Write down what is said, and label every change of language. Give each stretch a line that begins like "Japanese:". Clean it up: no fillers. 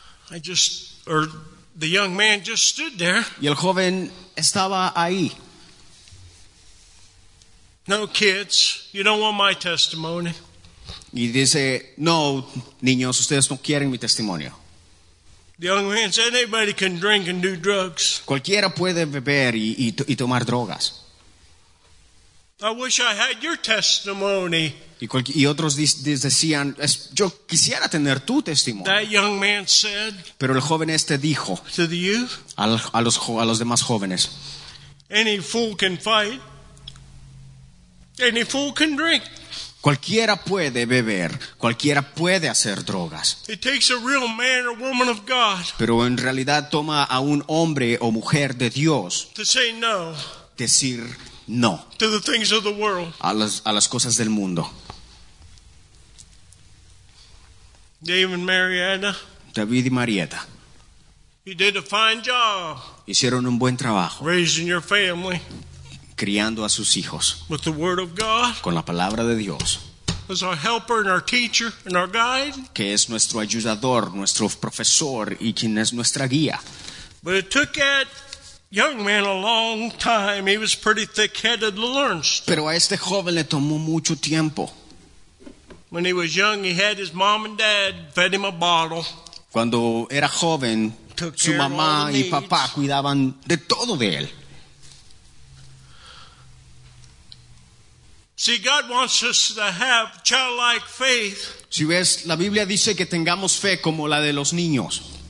English: Ah. The young man just stood there.
Spanish: Y el joven estaba ahí.
English: No kids, you don't want my testimony.
Spanish: Y dice, no, niños, ustedes no quieren mi testimonio.
English: The young man said, anybody can drink and do drugs.
Spanish: Cualquiera puede beber y tomar drogas.
English: I wish I had your testimony.
Spanish: Y otros decían, yo quisiera tener tu testimonio.
English: That young man said.
Spanish: Pero el joven este dijo.
English: To the youth.
Spanish: A los demás jóvenes.
English: Any fool can fight. Any fool can drink.
Spanish: Cualquiera puede beber. Cualquiera puede hacer drogas.
English: It takes a real man or woman of God.
Spanish: Pero en realidad toma a un hombre o mujer de Dios.
English: To say no.
Spanish: Decir no.
English: To the things of the world.
Spanish: A las cosas del mundo.
English: David y Marietta. You did a fine job.
Spanish: Hicieron un buen trabajo.
English: Raising your family.
Spanish: Criando a sus hijos.
English: With the word of God.
Spanish: Con la palabra de Dios.
English: as our helper and our teacher and our guide.
Spanish: Que es nuestro ayudador, nuestro profesor y quien es nuestra guía.
English: But it took that young man a long time. He was pretty thick-headed to learn.
Spanish: Pero a este joven le tomó mucho tiempo.
English: When he was young, he had his mom and dad fed him a bottle.
Spanish: Cuando era joven, su mamá y papá cuidaban de todo de él.
English: See, God wants us to have childlike faith.
Spanish: Si ves, la Biblia dice que tengamos fe como la de los niños.